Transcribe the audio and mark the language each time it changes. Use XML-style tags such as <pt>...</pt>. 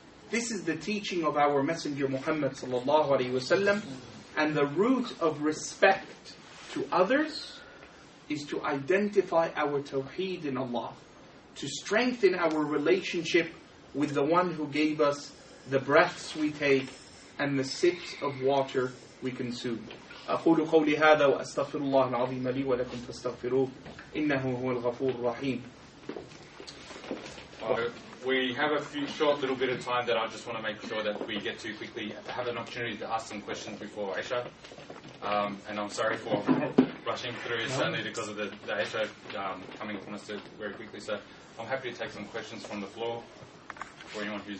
<en>This is the teaching of our Messenger Muhammad sallallahu alaihi wasallam, and the root of respect to others is to identify our tawheed in Allah, to strengthen our relationship with the one who gave us the breaths we take and the sips of water we consume.</en> <ar>أقول قولي هذا وأستغفر الله العظيم لي ولكم فاستغفروه إنه هو الغفور الرحيم.</ar> <en>We have a few short little bit of time that I just want to make sure that we get to quickly have an opportunity to ask some questions before Aisha. And I'm sorry for rushing through, certainly because of the Aisha coming upon us very quickly. So I'm happy to take some questions from the floor for anyone who's...</en>